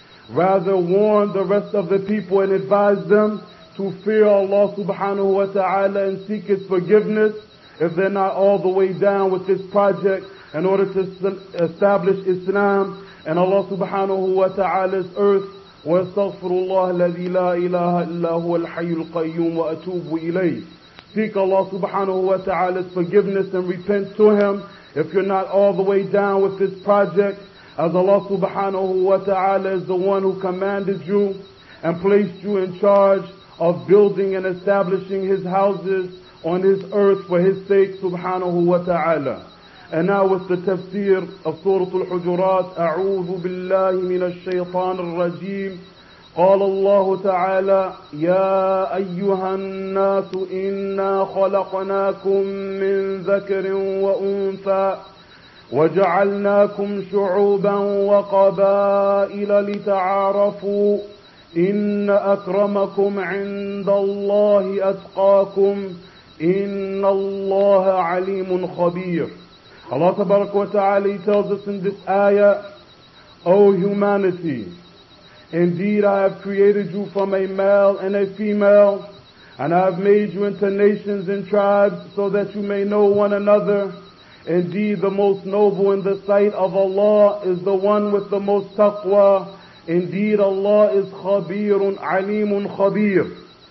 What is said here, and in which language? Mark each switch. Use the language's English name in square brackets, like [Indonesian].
[English] Rather warn the rest of the people and advise them to fear Allah subhanahu wa ta'ala and seek His forgiveness if they're not all the way down with this project in order to establish Islam and Allah subhanahu wa ta'ala's earth. [Arabic] واستغفر الله الذي لا إله إلا هو الحي القيوم وأتوب إليه. [English] Seek Allah subhanahu wa ta'ala's forgiveness and repent to Him if you're not all the way down with this project, as Allah subhanahu wa ta'ala is the one who commanded you and placed you in charge of building and establishing His houses on His earth for His sake subhanahu wa ta'ala. And now with the tafsir of Surah Al-Hujurat, [Arabic] أعوذ بالله من الشيطان الرجيم. قال الله تعالى يا أيها الناس إنا خلقناكم من ذكر وأنثى وجعلناكم شعوبا وقبائل لتعارفوا إن أكرمكم عند الله أتقاكم إن الله عليم خبير. [English] Allah tabarak wa ta'ala, He tells us in this ayah, O humanity, indeed I have created you from a male and a female, and I have made you into nations and tribes so that you may know one another. Indeed, the most noble in the sight of Allah is the one with the most taqwa. Indeed, Allah is khabirun, alimun khabir.